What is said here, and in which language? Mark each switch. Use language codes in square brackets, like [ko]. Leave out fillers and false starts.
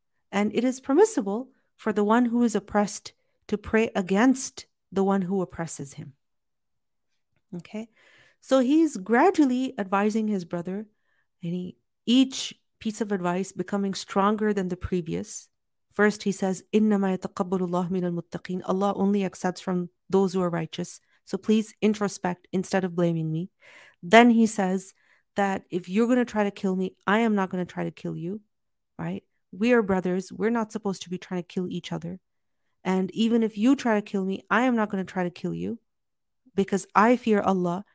[en] And it is permissible for the one who is oppressed to pray against the one who oppresses him. Okay, so he's gradually advising his brother, and each piece of advice becoming stronger than the previous. [ar] First, he says, إِنَّمَا يَتَقَبَّلُ اللَّهُ مِنَ الْمُتَّقِينَ. [en] Allah only accepts from those who are righteous. So please introspect instead of blaming me. Then he says that if you're going to try to kill me, I am not going to try to kill you, right? We are brothers. We're not supposed to be trying to kill each other. And even if you try to kill me, I am not going to try to kill you because I fear Allah.